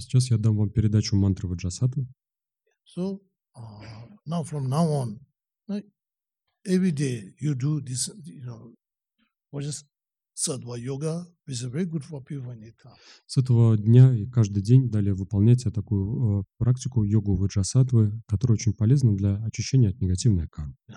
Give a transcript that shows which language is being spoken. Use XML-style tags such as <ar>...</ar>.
<ru>Сейчас я дам вам передачу мантры Ваджрасаттвы.</ru> <en>So, now from now on, every day you do this, you know, Ваджрасаттва yoga, which is very good for people when they come.</en> <ru>С этого дня и каждый день далее выполняйте такую практику йогу Ваджрасаттвы, которая очень полезна для очищения от негативной кармы.</ru>